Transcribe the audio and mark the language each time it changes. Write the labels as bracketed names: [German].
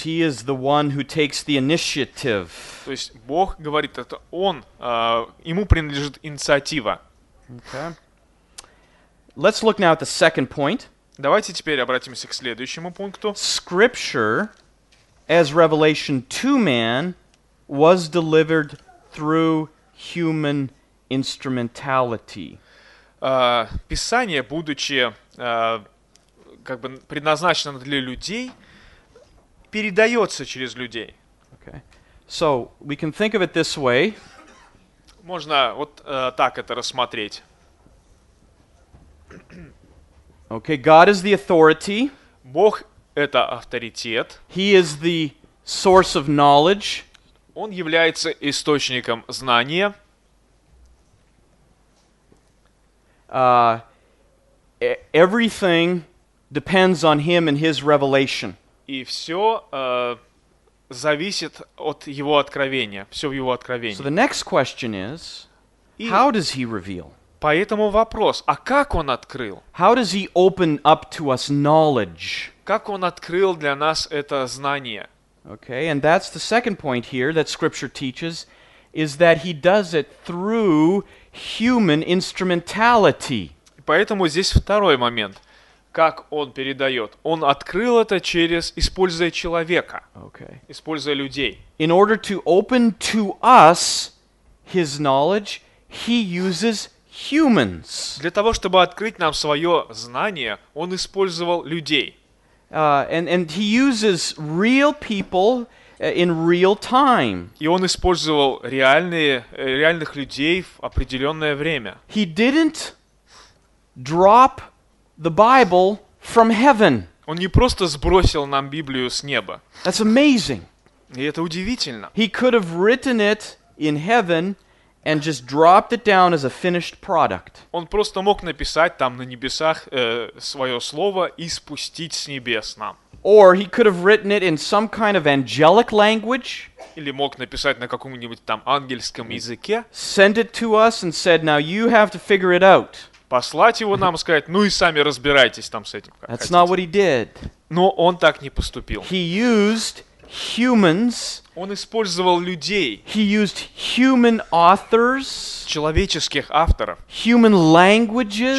[English] He is the one who takes the initiative. [Russian] То есть Бог говорит, это Он, ему принадлежит инициатива. [English] Okay. Let's look now at the second point. [Russian] Давайте теперь обратимся к следующему пункту. [English] Scripture, as revelation to man, was delivered through human instrumentality. [Russian] Писание, будучи как бы предназначено для людей, передается через людей. [English] Okay. So we can think of it this way. [Russian] Можно вот так это рассмотреть. [English] Okay, God is the authority. [Russian] Бог — это авторитет. [English] He is the source of knowledge. [Russian] Он является источником знания. [English] Everything depends on him and his revelation. [Russian] И все зависит от его откровения, все в его откровении. [English] So the next question is, how does he reveal? [Russian] Поэтому вопрос, а как он открыл? [English] How does he open up to us knowledge? [Russian] Как он открыл для нас это знание? [English] Okay, and that's the second point here that Scripture teaches, is that he does it through human instrumentality. [Russian] Поэтому здесь второй момент. Как он передает? Он открыл это через, используя человека. [English] Okay. [Russian] Используя людей. [English] In order to open to us his knowledge, he uses humans. [Russian] Для того, чтобы открыть нам свое знание, он использовал людей. [English] And he uses real people in real time. [Russian] И он использовал реальных людей в определенное время. [English] He didn't drop the Bible from heaven. [Russian] Он не просто сбросил нам Библию с неба. [English] That's amazing. [Russian] И это удивительно. [English] He could have written it in heaven and just dropped it down as a finished product. [Russian] Он просто мог написать там на небесах свое слово и спустить с небес нам. [English] Or he could have written it in some kind of angelic language. [Russian] Или мог написать на каком-нибудь там ангельском языке. [English] Send it to us and said, "Now you have to figure it out." [Russian] Послать его нам и сказать, ну и сами разбирайтесь там с этим. [English] That's [Russian] хотите. [English] Not what he did. [Russian] Но он так не поступил. [English] He used humans. [Russian] Он использовал людей. [English] He used human authors. [Russian] Человеческих авторов. [English] Human languages.